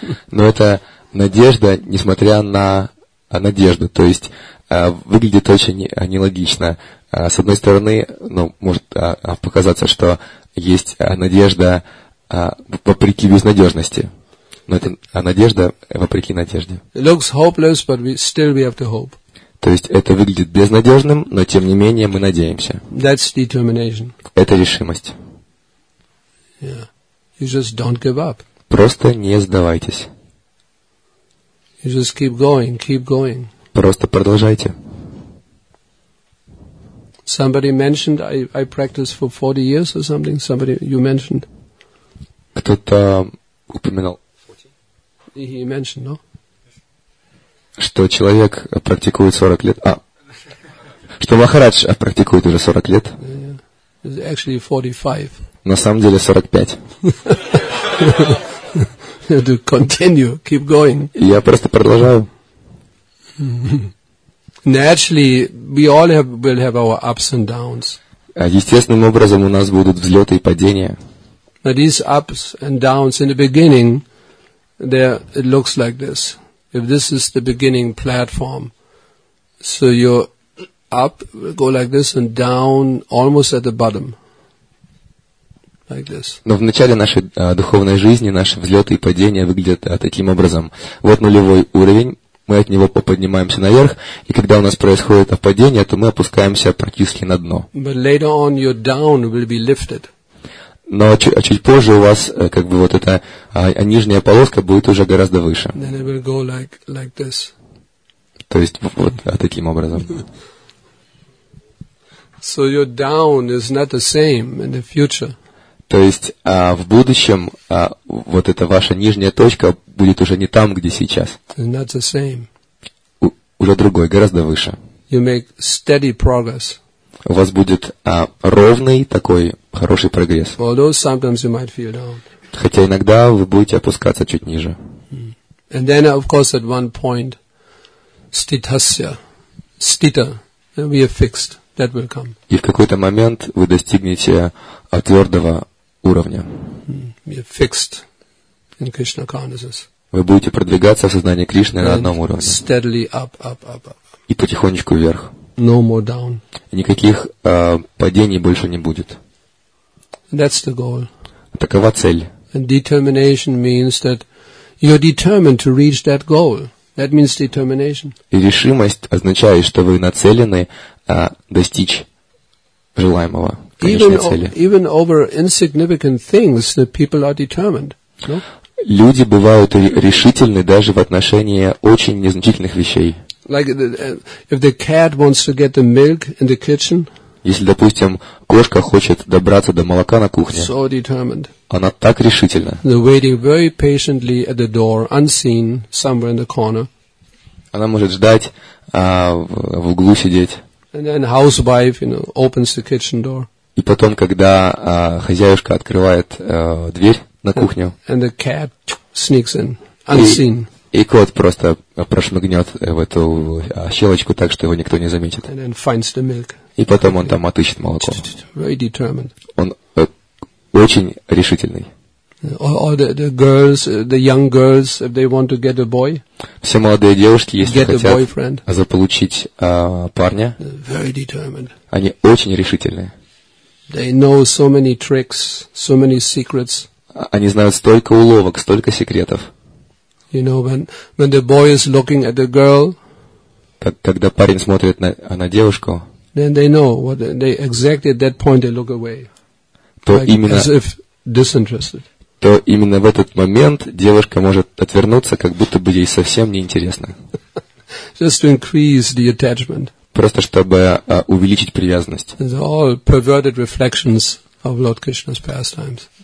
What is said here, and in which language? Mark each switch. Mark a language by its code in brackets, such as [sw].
[ru] Но это надежда, несмотря на надежду. То есть выглядит очень нелогично. С одной стороны, ну, может показаться, что есть надежда вопреки безнадежности. Но это надежда вопреки надежде. [en] It looks hopeless, but we still have to hope. [ru] То есть это выглядит безнадежным, но тем не менее мы надеемся. [en] That's determination. [ru] Это решимость. [en] Yeah. You just don't give up. [ru] Просто не сдавайтесь. [en] You just keep going, keep going. [ru] Просто продолжайте. [en] Somebody mentioned I practiced for 40 years or something. Somebody you mentioned. [ru] Кто-то упоминал. [en] He mentioned, no? [ru] Что человек практикует 40 лет. А. Что Махарадж практикует уже 40 лет. [en] Yeah, yeah. Actually 45. [ru] На самом деле 45. [en] You have to continue, keep going. [ru] Я просто продолжаю. [en] Naturally, we all will have our ups and downs. [ru] Естественным образом у нас будут взлеты и падения. [en] But these ups and downs in the beginning, there it looks like this. If this is the beginning platform, so you're up, go like this, and down almost at the bottom, like this. [ru] Но в начале нашей духовной жизни наши взлеты и падения выглядят таким образом. Вот нулевой уровень. Мы от него поднимаемся наверх, и когда у нас происходит падение, то мы опускаемся практически на дно. [en] But later on your down will be lifted. [ru] Но чуть позже у вас как бы вот эта нижняя полоска будет уже гораздо выше. [en] Then it will go like this. [ru] То есть вот таким образом. [en] So your down is not the same in the future. [ru] То есть в будущем вот эта ваша нижняя точка будет уже не там, где сейчас. [en] Not the same. [ru] Уже другой, гораздо выше. [en] You make steady progress. [ru] У вас будет ровный такой хороший прогресс. [en] Although sometimes you might feel down. [ru] Хотя иногда вы будете опускаться чуть ниже. [en] And then, of course, at one point, sthitasya, sthita, we are fixed. That will come. [ru] И в какой-то момент вы достигнете твердого уровня. [en] We are fixed in Krishna consciousness. [ru] Вы будете продвигаться в сознании Кришны на одном уровне. [en] Steadily up, up, up, up. [ru] И потихонечку вверх. [en] No more down. [ru] Никаких падений больше не будет. [en] That's the goal. [ru] Такова цель. [en] And determination means that you're determined to reach that goal. That means determination. [ru] И решимость означает, что вы нацелены достичь желаемого, конечной цели. [en] Even over insignificant things that people are determined. No? [ru] Люди бывают решительны даже в отношении очень незначительных вещей. [en] Like if the cat wants to get the milk in the kitchen. [ru] Если, допустим, кошка хочет добраться до молока на кухне. [en] So determined. [ru] Она так решительна. [en] They're waiting very patiently at the door, unseen, somewhere in the corner. [ru] Она может ждать, в углу сидеть. [en] And then housewife, you know, opens the kitchen door. [ru] И потом, когда хозяюшка открывает дверь на кухню. [en] And the cat sneaks in, unseen. [ru] И кот просто прошмыгнет в эту щелочку так, что его никто не заметит. [en] And then finds the milk. [ru] И потом он там отыщет молоко. [en] Very determined. [ru] Он очень решительный. [en] Or the girls, the young girls, if they want to get a boy. [ru] Все молодые девушки, если [en] get [ru] хотят [en] a boyfriend, [ru] заполучить парня. [en] Very determined. [ru] Они очень решительные. [en] They know so many tricks, so many secrets. [ru] Они знают столько уловок, столько секретов. [en] You know, when the boy is looking at the girl. [ru] Когда парень смотрит на девушку. [en] Then they know what they exactly at that point they look away. [ru] То like, именно. [en] As if disinterested. [ru] То именно в этот момент девушка может отвернуться, как будто бы ей совсем неинтересно. [en] Just to increase the attachment. [ru] Просто чтобы увеличить привязанность. [en] It's all perverted reflections of Lord Krishna's pastimes.